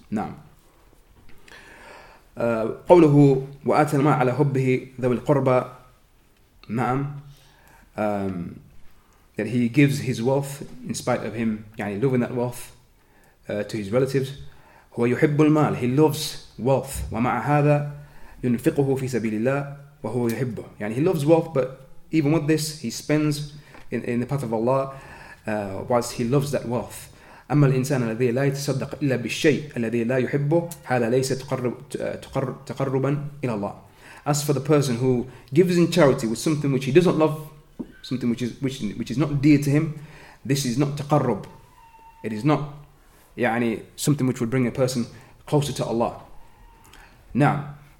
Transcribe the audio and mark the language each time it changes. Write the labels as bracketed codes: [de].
[ar] Now, قوله وآتى المال على حبه ذوي القربى. [en] That he gives his wealth in spite of him يعني loving that wealth to his relatives. [ar] هو يحب المال, [en] he loves wealth. [ar] ومع هذا ينفقه في سبيل الله وهو يحبه. [en] يعني he loves wealth, but even with this he spends in the path of Allah whilst he loves that wealth. [ar] أما الإنسان الذي لا يتصدق إلا بالشيء الذي لا يحبه هذا ليس تقربا إلى الله. [en] As for the person who gives in charity with something which he doesn't love, something which is not dear to him, this is not taqarrub. It is not يعني something which would bring a person closer to Allah. Now,